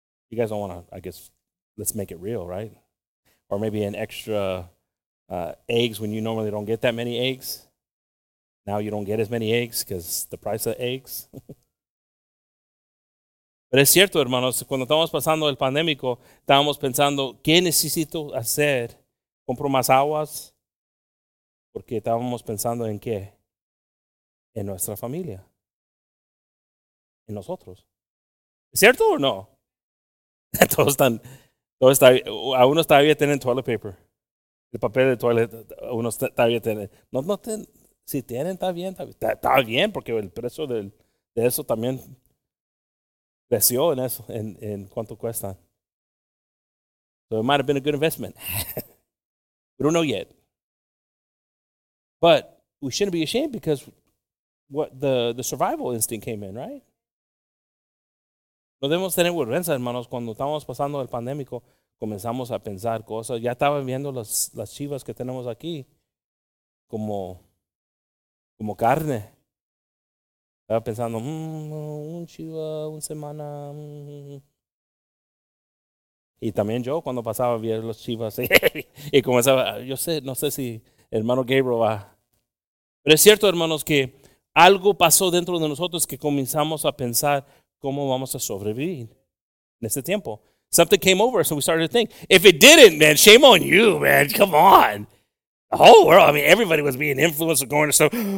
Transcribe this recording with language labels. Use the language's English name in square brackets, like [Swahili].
[English] You guys don't want to, I guess, let's make it real, right? Or maybe an extra eggs when you normally don't get that many eggs. Now you don't get as many eggs because the price of eggs. [Spanish] Pero es cierto, hermanos, cuando estábamos pasando el pandémico, estábamos pensando, ¿qué necesito hacer Compro más aguas porque estábamos pensando en qué. En nuestra familia. En nosotros. ¿Es cierto o no? Todos están, todo está, a uno está bien tener [English] toilet paper. [Spanish] El papel de toilet, a uno está bien tener. No, no, ten, si tienen, está bien. Está bien porque el precio de eso también creció en eso, en cuánto cuesta. [English] So it might have been a good investment. We don't know yet. But we shouldn't be ashamed because what the survival instinct came in, right? [Spanish] No debemos tener vergüenza, hermanos. Cuando estábamos pasando el pandémico, comenzamos a pensar cosas. Ya estaban viendo las chivas que tenemos aquí como carne. Estaba pensando, un chiva, una semana. Y también yo cuando pasaba a ver los chivas y comenzaba, yo sé, no sé si hermano Gabriel va. Pero es cierto, hermanos, que algo pasó dentro de nosotros que comenzamos a pensar cómo vamos a sobrevivir en este tiempo. [English] Something came over us and we started to think, if it didn't, man, shame on you, man, come on. The whole world, I mean, everybody was being influenced and going to stuff.